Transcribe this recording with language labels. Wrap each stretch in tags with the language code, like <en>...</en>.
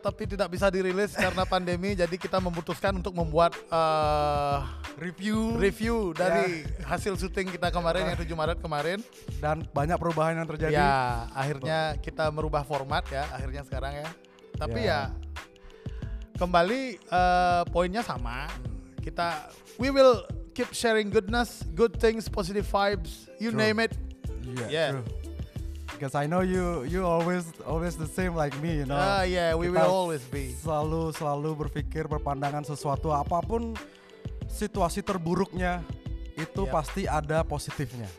<id>tapi tidak bisa dirilis karena pandemi. Jadi kita memutuskan untuk membuat</id> <en>review</en> <id>dari hasil syuting kita kemarin yang 7 Maret kemarin, dan banyak perubahan yang terjadi. Ya, akhirnya kita merubah format ya, akhirnya sekarang ya. Tapi kembali poinnya sama. Kita</id> <en>we will keep sharing goodness, good things, positive vibes, you true. Name it. Yeah. Yeah. Because I know you always the same like me, you know. We will always be.</en> <id>Selalu berpikir, berpandangan sesuatu apapun situasi terburuknya itu pasti ada positifnya.</id>